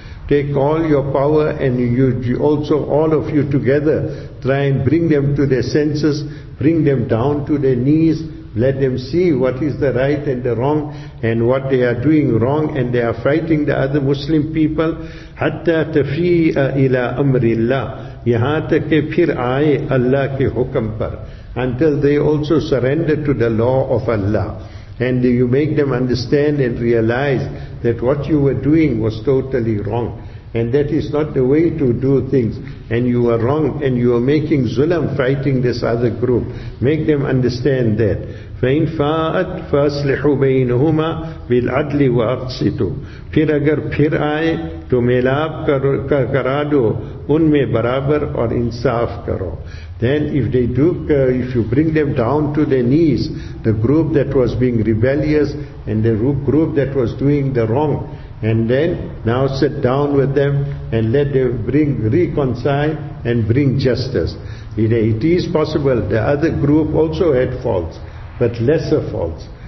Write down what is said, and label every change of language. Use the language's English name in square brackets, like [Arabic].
[English] Take all your power and you also all of you together try and bring them to their senses, bring them down to their knees, let them see what is the right and the wrong and what they are doing wrong, and they are fighting the other Muslim people. [Arabic] حَتَّى تَفِيءَ إِلَىٰ أَمْرِ اللَّهِ [Urdu] یہاں تک کہ پھر آئے اللہ کے حکم پر. [English] Until they also surrender to the law of Allah. And you make them understand and realize that what you were doing was totally wrong. And that is not the way to do things. And you are wrong and you are making zulam fighting this other group. Make them understand that. [Arabic] فَإِنْ فَاءَتْ فَأَصْلِحُ بَيْنَهُمَا بِالْعَدْلِ وَأَقْسِطُ. [Urdu] پھر اگر پھر آئے تو ملاب کرا دو ان میں برابر اور انصاف کرو. [English] Then if they do, if you bring them down to their knees, the group that was being rebellious and the group that was doing the wrong, and then now sit down with them and let them reconcile and bring justice. It is possible the other group also had faults, but lesser faults.